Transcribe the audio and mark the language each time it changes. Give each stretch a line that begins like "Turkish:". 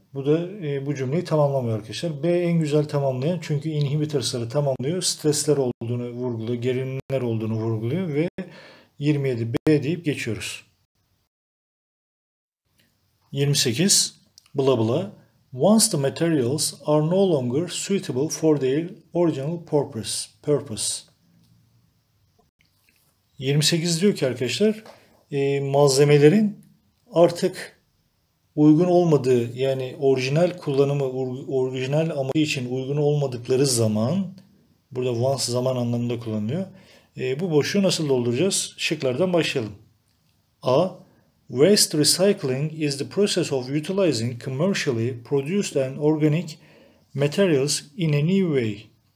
Turkish: Bu da bu cümleyi tamamlamıyor arkadaşlar. B en güzel tamamlayan çünkü inhibitorsları tamamlıyor. Stresler olduğunu vurguluyor, gerilimler olduğunu vurguluyor ve 27 B deyip geçiyoruz. 28 bla bla
English: Once the materials are no longer suitable for their original purpose.
Turkish: 28 diyor ki arkadaşlar, malzemelerin artık uygun olmadığı, yani orijinal kullanımı, orijinal amacı için uygun olmadıkları zaman, burada once zaman anlamında kullanılıyor. Bu boşluğu nasıl dolduracağız? Şıklardan başlayalım. A.
English: Waste recycling is the process of utilizing commercially produced and organic materials in a new way.